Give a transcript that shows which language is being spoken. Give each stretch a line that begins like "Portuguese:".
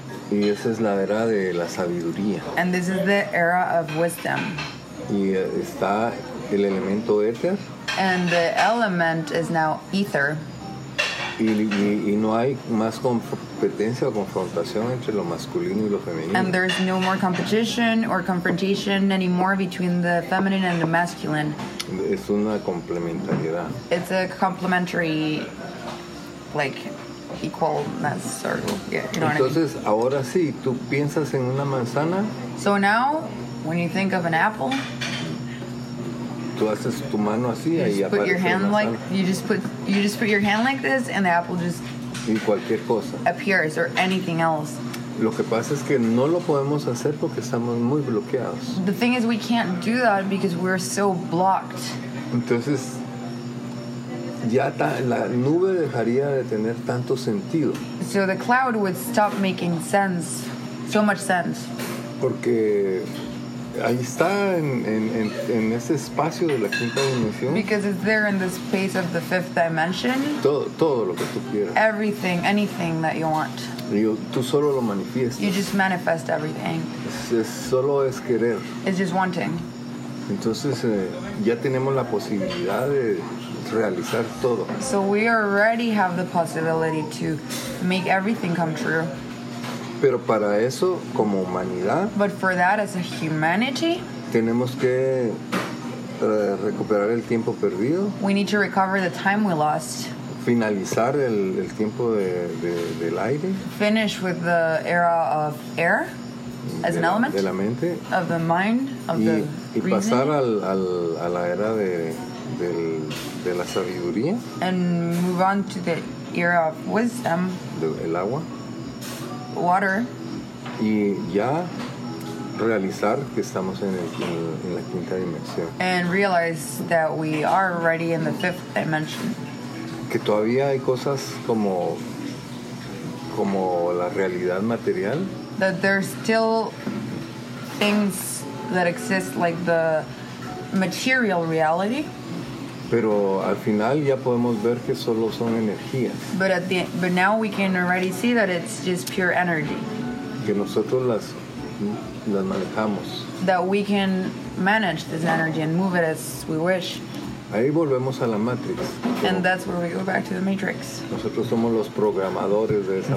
Spanish: y esa es la era de la sabiduría
English: and this is the era of wisdom
Spanish: y está el elemento éter
English: and the element is now ether
Spanish: y no hay más competencia o confrontación entre lo masculino y lo femenino
English: and there's no more competition or confrontation anymore between the feminine and the masculine
Spanish: es una complementariedad
English: it's a complementary like equalness or yeah, you know
Spanish: entonces
English: what I mean?
Spanish: Ahora sí tú piensas en una manzana
English: so now when you think of an apple
Spanish: tú haces tu mano así
English: you
Spanish: ahí aparece
English: your hand like, you just put your hand like this and the apple just
Spanish: y cualquier cosa
English: appears or anything else
Spanish: lo que pasa es que no lo podemos hacer porque estamos muy bloqueados
English: the thing is we can't do that because we're so blocked
Spanish: entonces ya la nube dejaría de tener tanto sentido
English: so the cloud would stop making sense so much sense
Spanish: porque ahí está en ese espacio de la quinta dimensión.
English: Because it's there in the space of the fifth dimension.
Spanish: Todo lo que tú quieras.
English: Everything, anything that you want.
Spanish: Tú solo lo manifiestas.
English: You just manifest everything.
Spanish: Solo es querer.
English: It's just wanting.
Spanish: Entonces ya tenemos la posibilidad de realizar todo.
English: So we already have the possibility to make everything come true.
Spanish: Pero para eso, como humanidad,
English: but for that, as a humanity,
Spanish: tenemos que recuperar el tiempo perdido.
English: We need to recover the time we lost.
Spanish: Finalizar el tiempo del aire.
English: Finish with the era of air as an element.
Spanish: De la mente.
English: Of the mind, of the
Spanish: reason. Y pasar a la era de la sabiduría.
English: And move on to the era of wisdom.
Spanish: El agua.
English: Water
Spanish: y ya realizar que estamos en la quinta dimensión
English: and realize that we are already in the fifth dimension
Spanish: que todavía hay cosas como la realidad material
English: that there's still things that exist like the material reality
Spanish: pero al final ya podemos ver que solo son energías.
English: But now we can already see that it's just pure energy.
Spanish: Que nosotros las manejamos.
English: That we can manage this energy and move it as we wish.
Spanish: Ahí volvemos a la Matrix.
English: And that's where we go back to the Matrix.
Spanish: Nosotros somos los programadores de esa.